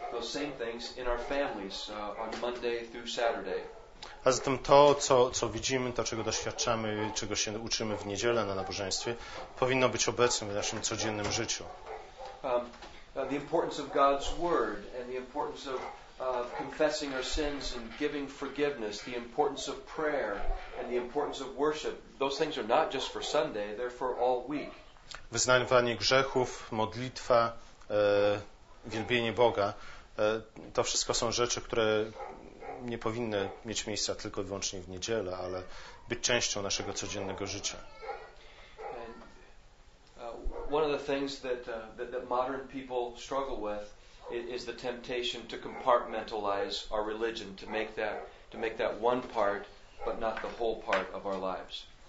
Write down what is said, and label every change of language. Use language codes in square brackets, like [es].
[en] those same things in our families on Monday through Saturday. [pl] A zatem to, co widzimy, to, czego doświadczamy, czego się uczymy w niedzielę na nabożeństwie, powinno być obecne w naszym codziennym życiu. [en] The importance of God's word and the importance of confessing our sins and giving forgiveness, the importance of prayer and the importance of worship, those things are not just for Sunday, they're for all week. [pl] Wyznawanie grzechów, modlitwa, wielbienie Boga, to wszystko są rzeczy, które nie powinny mieć miejsca tylko i wyłącznie w niedzielę, ale być częścią naszego codziennego życia. [en] And, one of the things that modern people struggle with is the temptation to compartmentalize our religion, to make that one part, but not the whole part of our lives.